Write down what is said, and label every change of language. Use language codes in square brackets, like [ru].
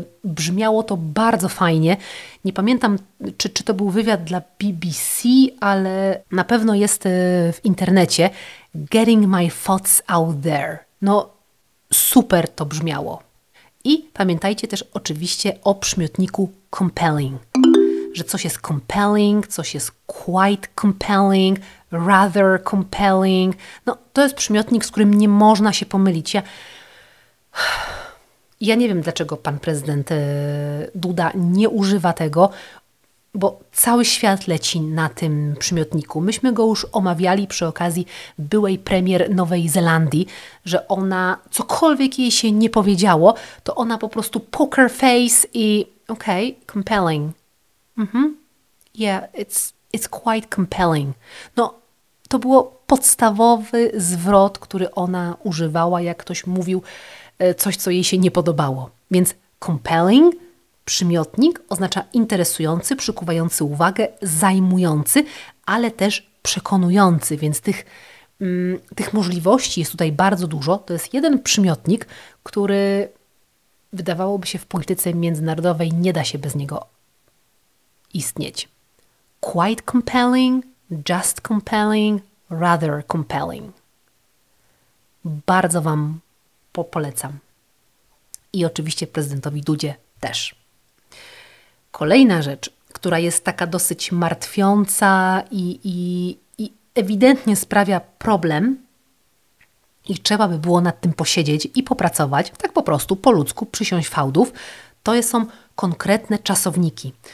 [pl] Brzmiało to bardzo fajnie. Nie pamiętam, czy to był wywiad dla BBC, ale na pewno jest w internecie. [en] Getting my thoughts out there. [pl] No, super to brzmiało. I pamiętajcie też oczywiście o przymiotniku compelling. Że coś jest compelling, coś jest [en] quite compelling, rather compelling. [pl] No, to jest przymiotnik, z którym nie można się pomylić. Ja nie wiem, dlaczego pan prezydent Duda nie używa tego, bo cały świat leci na tym przymiotniku. Myśmy go już omawiali przy okazji byłej premier Nowej Zelandii, że ona, cokolwiek jej się nie powiedziało, to ona po prostu poker face i okej, compelling. Mm-hmm. [en] Yeah, it's quite compelling. [pl] No, to było podstawowy zwrot, który ona używała, jak ktoś mówił coś, co jej się nie podobało. Więc compelling, przymiotnik, oznacza interesujący, przykuwający uwagę, zajmujący, ale też przekonujący. Więc tych możliwości jest tutaj bardzo dużo. To jest jeden przymiotnik, który wydawałoby się w polityce międzynarodowej nie da się bez niego istnieć. [en] Quite compelling, just compelling, rather compelling. [pl] Bardzo Wam polecam. I oczywiście prezydentowi Dudzie też. Kolejna rzecz, która jest taka dosyć martwiąca i ewidentnie sprawia problem i trzeba by było nad tym posiedzieć i popracować, tak po prostu, po ludzku, przysiąść fałdów, to są konkretne czasowniki.